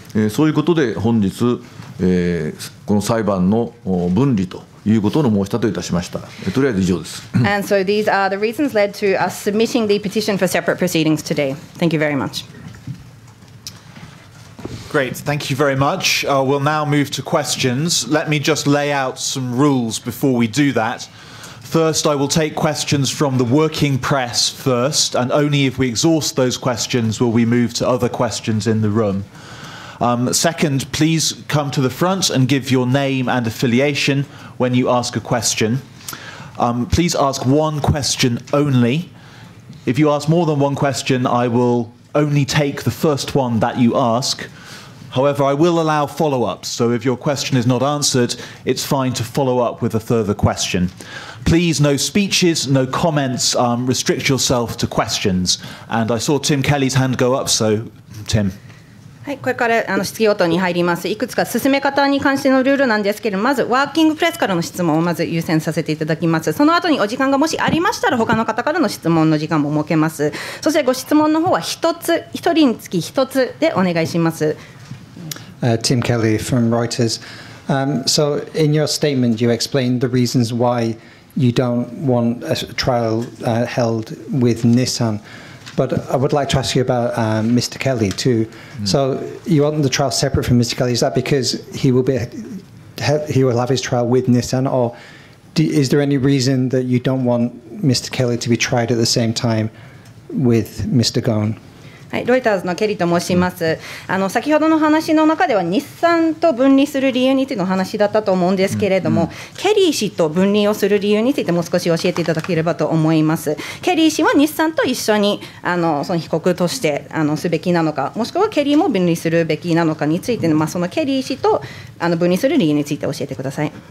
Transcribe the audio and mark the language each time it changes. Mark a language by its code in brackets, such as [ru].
[ja] そういうことで本日、この裁判の分離ということの申し立てをいたしました。とりあえず以上です。 [en] And so these are the reasons led to us submitting the petition for separate proceedings today. Thank you very much. Great. Thank you very much. We'll now move to questions. Let me just lay out some rules before we do that. First, I will take questions from the working press first, and only if we exhaust those questions will we move to other questions in the room. Second, please come to the front and give your name and affiliation when you ask a question. Please ask one question only. If you ask more than one question, I will only take the first one that you ask. However, I will allow follow-ups, so if your question is not answered, it's fine to follow up with a further question. Please, no speeches, no comments, restrict yourself to questions. And I saw Tim Kelly's hand go up, so Tim. [ja] はい、これから質疑応答に入ります。いくつか進め方に関してのルールなんですけれども、まずワーキングプレスからの質問をまず優先させていただきます。その後にお時間がもしありましたら他の方からの質問の時間も設けます。そしてご質問の方は一人につき一つでお願いします。 [en] Tim Kelly from Reuters. So in your statement you explained the reasons whyYou don't want a trial held with Nissan. But I would like to ask you about Mr. Kelly too. So you want the trial separate from Mr. Kelly. Is that because he will have his trial with Nissan? Or is there any reason that you don't want Mr. Kelly to be tried at the same time with Mr. Ghosn? [ja] はい、ロイターズのケリーと申します。先ほどの話の中では日産と分離する理由についての話だったと思うんですけれども、ケリー氏と分離をする理由についてもう少し教えていただければと思います。ケリー氏は日産と一緒にその被告としてすべきなのか、もしくはケリーも分離するべきなのかについての、そのケリー氏と分離する理由について教えてください。